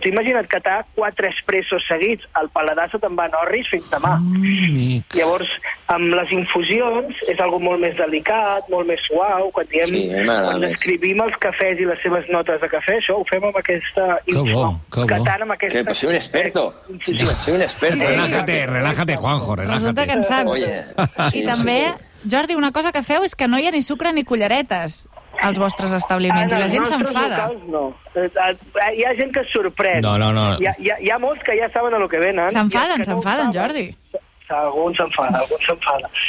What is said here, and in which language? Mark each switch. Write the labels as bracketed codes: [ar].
[ca] Tu imagina't que t'ha 4 espressos seguits, el paladar se te'n va en orris fins demà. Amic. Llavors, amb les infusions, és algo molt més delicat, molt més suau, quan diem, sí, quan escrivim els cafès i les seves notes de cafè, això ho fem amb aquesta infusió. Que tant amb aquesta... [es] Que soy un experto. Relájate, Juanjo, relájate. Resulta que Oye, [ca] sí, i també, Jordi, una cosa que feu és que no hi ha ni sucre ni culleretes als vostres establiments, i la gent s'enfada. Hi ha gent que es sorprèn. No. Hi ha molts que ja saben a lo que venen. S'enfaden, Jordi. Alguns s'enfaden.